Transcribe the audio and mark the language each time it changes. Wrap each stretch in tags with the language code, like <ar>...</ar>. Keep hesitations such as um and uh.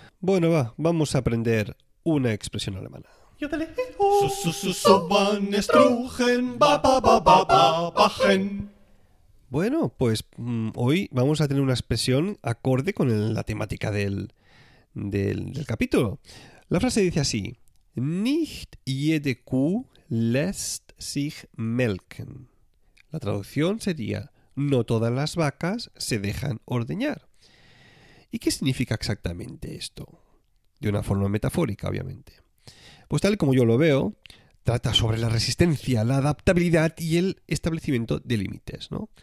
<es>Bueno, va, vamos a aprender una expresión alemana. So, so, so, so, wann es trugen, ba, ba, ba, ba, ba, bachen. Bueno, pues mm, hoy vamos a tener una expresión acorde con el- la temática del, del- del capítulo. La frase dice así:</es> <de>Nicht jede Kuh lässt sich melken.</de> <es>La traducción sería: No todas las vacas se dejan ordeñar. ¿Y qué significa exactamente esto? De una forma metafórica, obviamente. Pues tal y como yo lo veo, trata sobre la resistencia, la adaptabilidad y el establecimiento de límites, ¿no?</es>